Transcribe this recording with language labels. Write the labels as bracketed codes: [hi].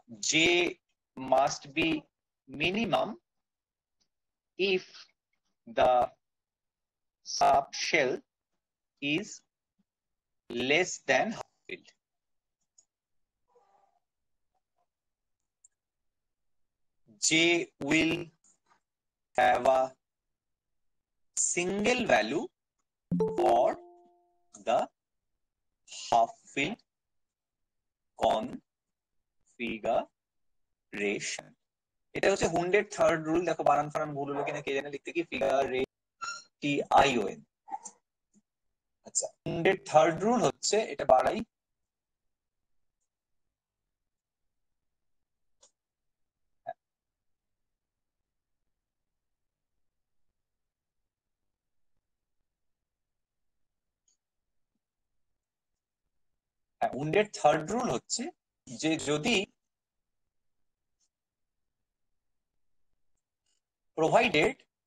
[bn] যে [en] Must be minimum if the subshell is less than half fill. [bn] যে [en] Will have a single value for the half field configuration. [bn] এটা হচ্ছে হুন্ডের third rule. দেখো বানান ফানান ভুল হলো কিনা কে জানে, লিখতে কি figuration। আচ্ছা, হুন্ডের থার্ড রুল হচ্ছে, এটা বাড়াই উন্ডের থার্ড রুল হচ্ছে যে যদি প্রোভাইডেড